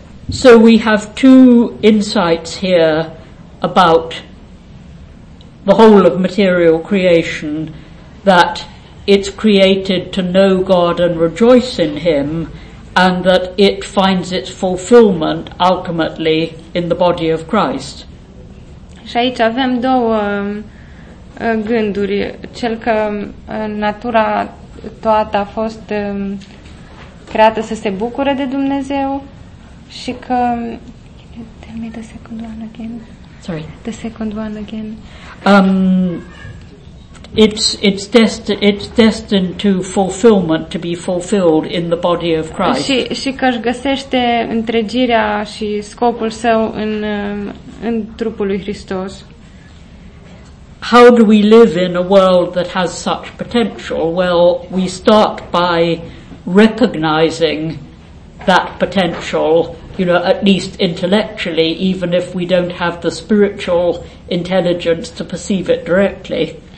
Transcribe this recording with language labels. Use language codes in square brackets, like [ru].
[en] So we have two insights here about the whole of material creation, that it's created to know God and rejoice in him, and that it finds its fulfillment ultimately in the body of Christ. [ro] Și aici avem două gânduri. Cel că natura toată a fost creată să se bucure de Dumnezeu și că... [en] Tell me the second one again. Sorry. The second one again. It's destined to fulfillment, to be fulfilled in the body of Christ. [ro] Și că își găsește întregirea și scopul său în trupul lui Hristos. [en] How do we live in a world that has such potential? Well, we start by recognizing that potential, you know, at least intellectually, even if we don't have the spiritual intelligence to perceive it directly.